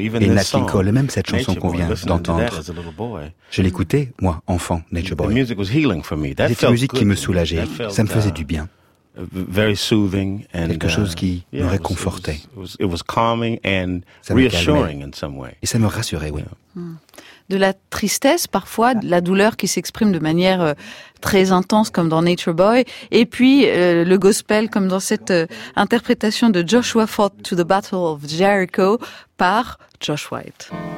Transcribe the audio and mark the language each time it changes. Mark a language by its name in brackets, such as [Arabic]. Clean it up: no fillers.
[French] et même cette chanson qu'on vient d'entendre, je l'écoutais, moi, enfant, Nature Boy. C'était une musique qui me soulageait, ça me faisait du bien. [English] Very soothing and, [French] quelque chose qui me réconfortait. [English] It was calming and reassuring in some way. [French] Et ça me rassurait, oui. De la tristesse, parfois, de la douleur qui s'exprime de manière très intense, comme dans Nature Boy, et puis le gospel, comme dans cette interprétation de Joshua Fought to the Battle of Jericho par Josh White.